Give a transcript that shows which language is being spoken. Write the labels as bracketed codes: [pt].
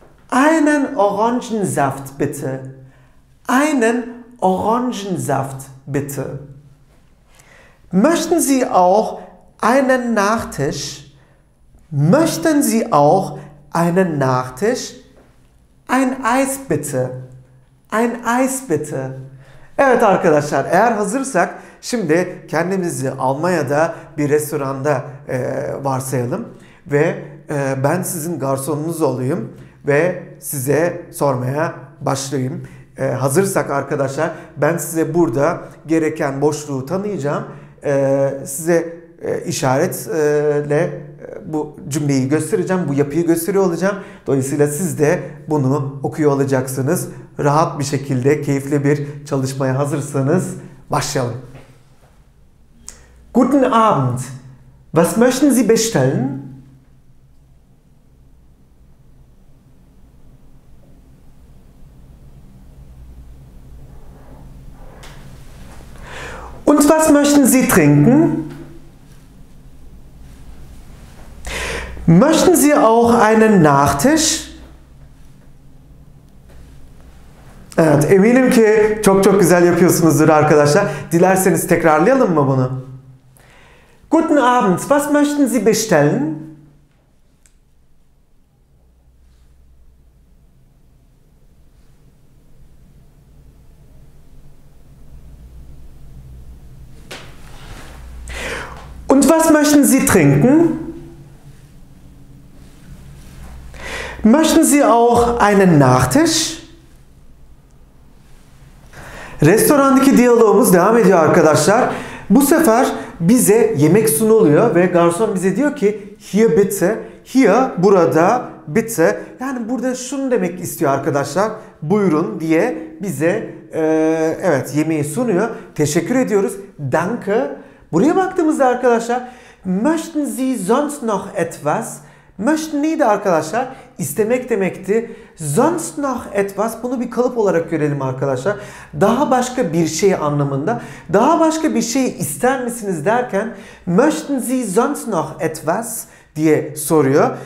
[de] Einen Orangensaft bitte. Einen Orangensaft bitte. Möchten Sie auch einen Nachtisch? Möchten Sie auch einen Nachtisch? Ein Eis bitte. Ein Eis bitte. [tr] Evet arkadaşlar, eğer hazırsak şimdi kendimizi Almanya'da bir restoranda varsayalım ve ben sizin garsonunuz olayım ve size sormaya başlayayım. Hazırsak arkadaşlar, ben size burada gereken boşluğu tanıyacağım. Size işaretle bu cümleyi göstereceğim, bu yapıyı gösteriyor olacağım. Dolayısıyla siz de bunu okuyor olacaksınız. Rahat bir şekilde, keyifli bir çalışmaya hazırsanız başlayalım. [de] Guten Abend. Was möchten Sie bestellen? Und was möchten Sie trinken? Möchten Sie auch einen Nachtisch? [tr] Evet, eminim ki çok çok güzel yapıyorsunuzdur arkadaşlar. Dilerseniz tekrarlayalım mı bunu? [de] Guten Abend, was möchten Sie bestellen? Und was möchten Sie trinken? Möchten Sie auch einen Nachtisch? [tr] Restorandaki diyalogumuz devam ediyor arkadaşlar. Bu sefer bize yemek sunuluyor ve garson bize diyor ki [de] hier bitte, hier [tr] burada bitte. Yani burada şunu demek istiyor arkadaşlar, buyurun diye bize evet yemeği sunuyor. Teşekkür ediyoruz. [de] Danke. [tr] Buraya baktığımızda arkadaşlar, [de] möchten Sie sonst noch etwas? Möchten [tr] neydi arkadaşlar? İstemek demekti. [de] Sonst noch etwas, [tr] bunu bir kalıp olarak görelim arkadaşlar. Daha başka bir şey anlamında. Daha başka bir şey ister misiniz derken [de] möchten Sie sonst noch etwas [tr] diye soruyor.